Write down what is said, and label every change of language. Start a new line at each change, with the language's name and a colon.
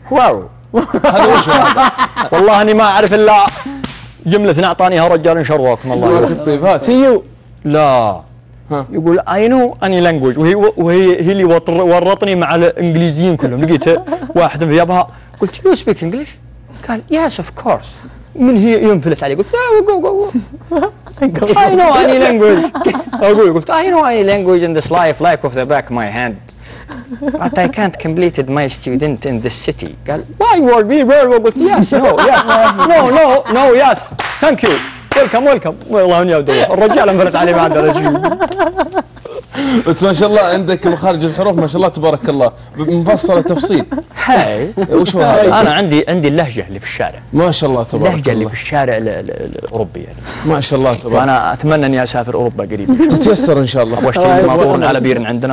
Arabic: واو. والله اني ما اعرف الا جمله اعطانيها رجال، ان شاء الله سيو. لا يقول
English: I know any language
Arabic: وهي هي اللي ورطني مع الإنجليزيين كلهم. لقيت واحد في يابها قلت
English: you speak English؟
Arabic: قال
English: yes of course.
Arabic: من هي ينفلت علي قلت
English: go go go I know any language.
Arabic: قلت
English: I know any language in this life like off the back of my hand but I can't completed my student in this city.
Arabic: قال
English: why were we were
Arabic: قلت
English: yes no yes no no no yes thank you
Arabic: ويلكم ويلكم والله اني ادور الرجال انفلت علي بعد رجل. بس ما شاء الله عندك مخارج الحروف ما شاء الله تبارك الله مفصله تفصيل. هاي وش هو هذا؟ انا عندي اللهجه اللي في الشارع. ما شاء الله تبارك الله اللهجه اللي في الشارع الاوروبيه يعني. ما شاء الله تبارك انا اتمنى اني اسافر اوروبا قريب. تتيسر ان شاء الله. واشتري ماطور على بير عندنا.